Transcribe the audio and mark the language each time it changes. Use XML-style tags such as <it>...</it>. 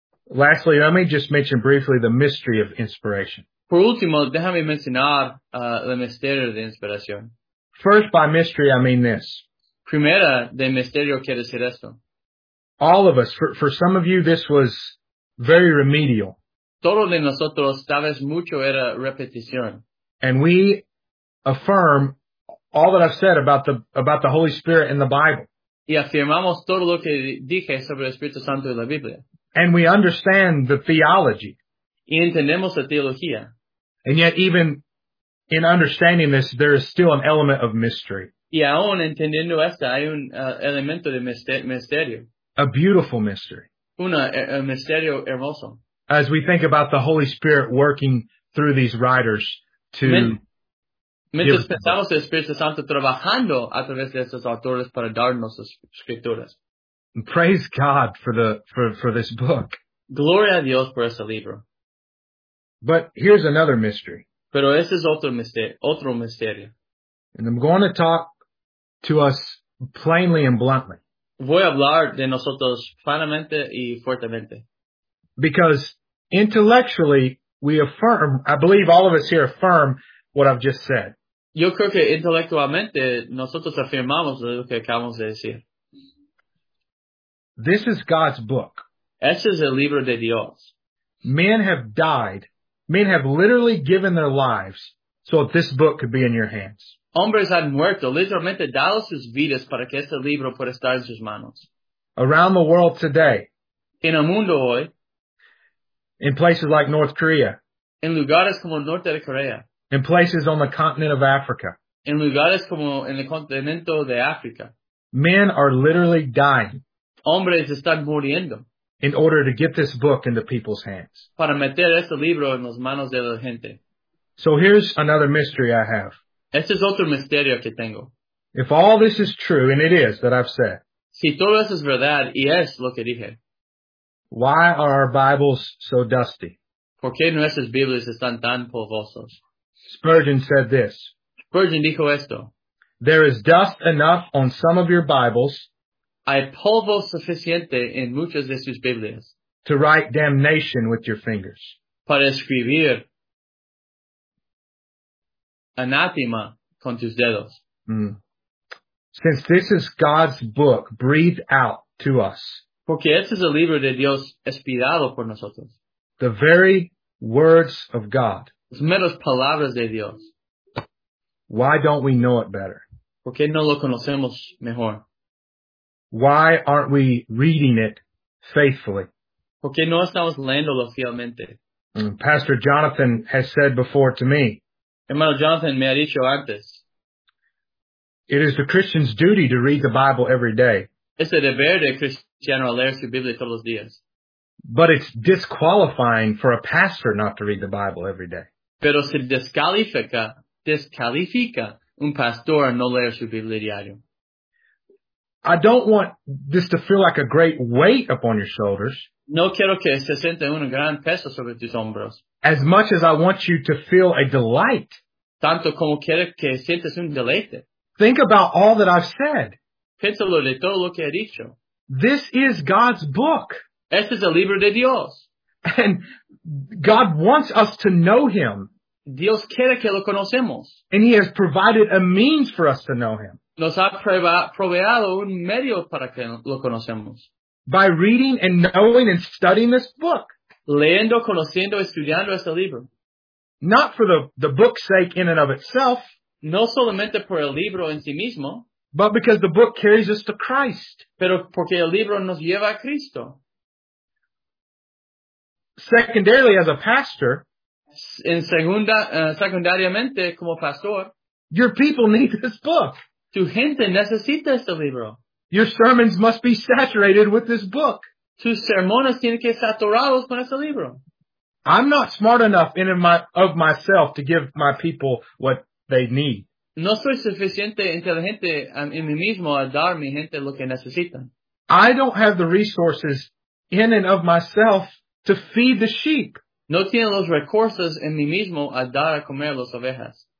<en>Lastly, let me just mention briefly the mystery of inspiration.</en> <es>Por último, déjame mencionar el misterio de inspiración.</es> <en>First, by mystery, I mean this.</en> <es>Primera, de misterio quiere decir esto.</es> <en>All of us, for some of you, this was very remedial.</en> <es>Todo de nosotros, tal vez mucho era repetición.</es> <en>And we affirm all that I've said about the Holy Spirit in the Bible.</en> <es>Y afirmamos todo lo que dije sobre el Espíritu Santo y la Biblia.</es> <en>And we understand the theology.</en> <es>Y entendemos la teología.</es> <en>And yet even in understanding this, there is still an element of mystery.</en> <es>Y aún entendiendo esto, hay un elemento de misterio.</es> <en>A beautiful mystery.</en> <es>Un misterio hermoso.</es> <en>As we think about the Holy Spirit working through these writers to</en> <es>mientras pensamos el Espíritu Santo trabajando a través de estos autores para darnos las escrituras.</es> <en>Praise God for this book.</en> <es>Gloria a Dios por este libro.</es> <en>But here's another mystery.</en> <es>Pero ese es otro misterio.</es> <en>And I'm going to talk to us plainly and bluntly.</en> <es>Voy a hablar de nosotros plenamente y fuertemente.</es> <en>Because intellectually, we affirm, I believe all of us here affirm what I've just said.</en> <es>Yo creo que intelectualmente nosotros afirmamos lo que acabamos de decir.</es> <en>This is God's book.</en> <es>Este es el libro de Dios.</es> <en>Men have died. Men have literally given their lives so that this book could be in your hands.</en> <es>Hombres han muerto, literalmente dado sus vidas para que este libro pueda estar en sus manos.</es> <en>Around the world today.</en> <es>En el mundo hoy.</es> <en>In places like North Korea.</en> <es>En lugares como el norte de Corea.</es> <en>In places on the continent of Africa.</en> <es>En lugares como en el continente de África.</es> <en>Men are literally dying.</en> <es>Hombres están muriendo.</es> <en>In order to get this book into people's hands.</en> <es>Para meter este libro en las manos de la gente.</es> <en>So here's another mystery I have.</en> <es>Este es otro misterio que tengo.</es> <en>If all this is true, and it is, that I've said.</en> <es>Si todo eso es verdad, y es lo que dije.</es> <en>Why are our Bibles so dusty?</en> <es>¿Por qué nuestras Biblias están tan polvosas?</es> <en>Spurgeon said this.</en> <es>Spurgeon dijo esto.</es> <en>There is dust enough on some of your Bibles.</en> <es>Hay polvo suficiente en muchas de sus Biblias.</es> <en>To write damnation with your fingers.</en> <es>Para escribir anátema con tus dedos.</es> <en>Since this is God's book breathed out to us.</en> <es>Porque este es el libro de Dios inspirado por nosotros.</es> <en>The very words of God.</en> <es>Las meras palabras de Dios.</es> <en>Why don't we know it better?</en> <es>¿Por qué no lo conocemos mejor?</es> <en>Why aren't we reading it faithfully?</en> <es>¿Por qué no estamos leyéndolo fielmente?</es> <en>Pastor Jonathan has said before to me.</en> <es>Hermano Jonathan me ha dicho antes.</es> <en>It is the Christian's duty to read the Bible every day.</en> <es>Es el deber de cristiano leer su Biblia todos los días.</es> <en>But it's disqualifying for a pastor not to read the Bible every day.</en> <es>Pero se descalifica un pastor no leer su Biblia diario.</es> <en>I don't want this to feel like a great weight upon your shoulders.</en> <es>No quiero que se sienta un gran peso sobre tus hombros.</es> <en>As much as I want you to feel a delight.</en> <es>Tanto como quiero que sientas un deleite.</es> <en>Think about all that I've said.</en> <es>Piénsalo de todo lo que he dicho.</es> <en>This is God's book.</en> <es>Este es el libro de Dios.</es> <en>And God wants us to know him.</en> <es>Dios quiere que lo conocemos.</es> <en>And he has provided a means for us to know him.</en> <es>Nos ha proveado un medio para que lo conocemos.</es> <en>By reading and knowing and studying this book.</en> <es>Leyendo, conociendo, estudiando este libro.</es> <en>Not for the book's sake in and of itself.</en> <es>No solamente por el libro en sí mismo.</es> <en>But because the book carries us to Christ.</en> <es>Pero porque el libro nos lleva a Cristo.</es> <en>Secondarily, as a pastor,</en> <es>secundariamente como pastor,</es> <en>your people need this book.</en> <es>Tu gente necesita este libro.</es> <en>Your sermons must be saturated with this book.</en> <es>Tus sermones tienen que saturados con este libro.</es> <en>I'm not smart enough in and of myself to give my people what they need.</en> <es>No soy suficiente inteligente en mí mismo a dar mi gente lo que necesitan.</es> <en>I don't have the resources in and of myself to feed the sheep.</en> <es>No tiene los recursos en mí mismo a dar a comer las ovejas.</es>